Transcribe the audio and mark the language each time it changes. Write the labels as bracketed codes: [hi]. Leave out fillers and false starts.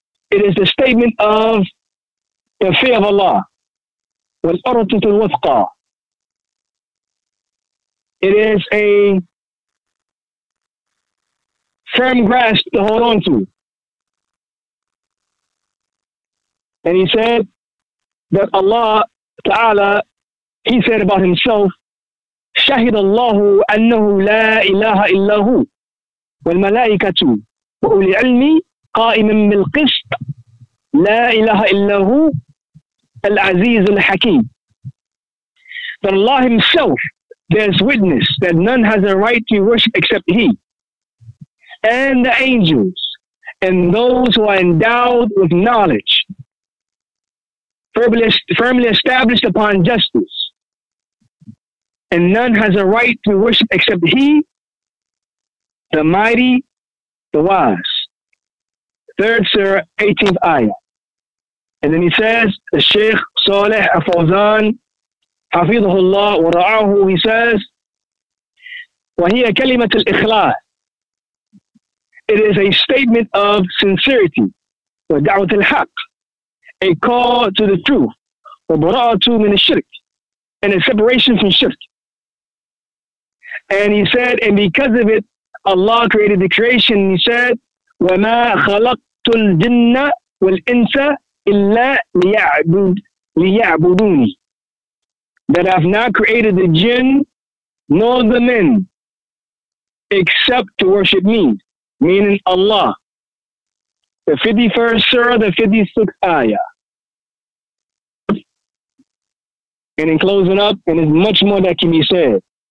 [en] It is the statement of the fear of Allah. [ar] وَالْأَرْضُ الْوَثْقَى. [en] It is a firm grasp to hold on to. And he said that Allah Ta'ala, he said about himself, [ar] شهد الله أنه لا إله إلا هو والملائكة وأولي العلم قائما بالقسط لا إله إلا هو العزيز الحكيم. [en] That Allah himself bears witness that none has a right to worship except He, and the angels and those who are endowed with knowledge, firmly established upon justice. And none has a right to worship except He, the Mighty, the Wise. 3rd Surah, 18th Ayah. And then he says, the Shaykh Saleh Al-Fawzan, Hafidhullah wa Ra'ahu, he says, [ar] وَهِيَ كَلِمَةُ الْإِخْلَاسِ. [en] It is a statement of sincerity, [ar] وَدَعْوَةِ الْحَقِّ, [en] a call to the truth, [ar] وَبَرَاءَةُ مِنَ الشِّرْكِ, [en] and a separation from shirk. And he said, and because of it, Allah created the creation. He said, [ar] وَمَا خَلَقْتُ الْجِنَّ وَالْإِنسَ إِلَّا لِيَعْبُدُونِ. [en] That I've not created the jinn nor the men except to worship me, meaning Allah. The 51st surah, the 56th ayah. And in closing up, and there's much more that can be said.